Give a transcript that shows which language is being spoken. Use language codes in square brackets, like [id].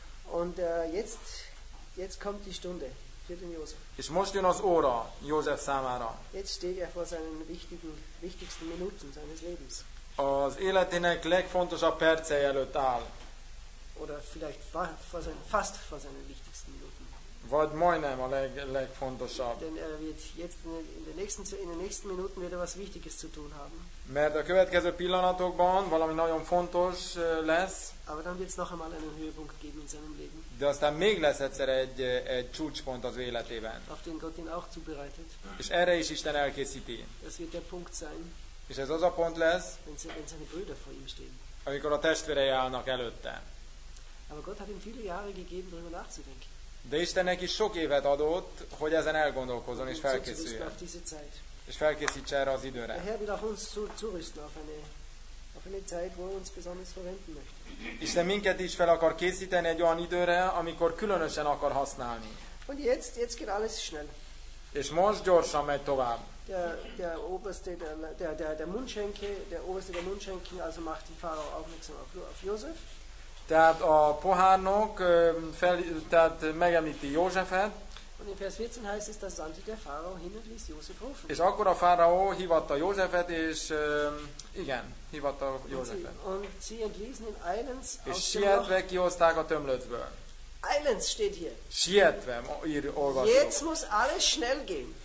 [de] Und jetzt kommt die Stunde. [hu] És most jön az óra József számára. [de] Jetzt steht vor seinen wichtigsten Minuten seines Lebens. [hu] Az életének legfontosabb perce előtt áll. [de] Oder vielleicht fast vor seinen wichtigsten Minuten. [hu] Vagy majdnem a legfontosabb. [de] Denn er wird jetzt in den nächsten Minuten wieder was Wichtiges zu tun haben. [hu] Mert a következő pillanatokban valami nagyon fontos lesz. [de] Aber dann wird es noch einmal einen Höhepunkt geben in seinem Leben. [hu] De aztán még lesz egyszer egy csúcspont az életében. [de] Auf den Gott ihn auch zubereitet. [hu] És erre is Isten elkészíti. [de] Das wird der Punkt sein. [hu] És ez az a pont lesz. [de] Wenn seine Brüder vor ihm stehen. [hu] Amikor a testvérei állnak előtte. [de] Aber Gott hat ihm viele Jahre gegeben, darüber nachzudenken. [hu] De Isten neki sok évet adott, hogy ezen elgondolkozzon és felkészüljön. És felkészítse erre az időre. [de] Der Herr will auch uns zurüsten auf eine Zeit, wo er uns besonders verwenden möchte. [hu] Isten minket is fel akar készíteni egy olyan időre, amikor különösen akar használni. [de] Und jetzt geht alles schnell. [hu] És most gyorsan megy tovább. [de] Der Mundschenke, also macht den Pharao aufmerksam auf Josef. [hu] Tehát a pohárnok tehát megemlíti Józsefet. [de] Und in Vers 14 heißt es, da sandte der Pharao hin und ließ Josef rufen. [hu] És akkor a fáraó hívatta Józsefet, és igen, hívatta Józsefet. [de] Und sie entließen ihn eilends [hu] aus sietve [de] dem Loch. [hu] Kihozták a tömlöcből. [de] Eilends steht hier. [hu] Sietve, ír olvasó. [de] Jetzt muss alles schnell gehen.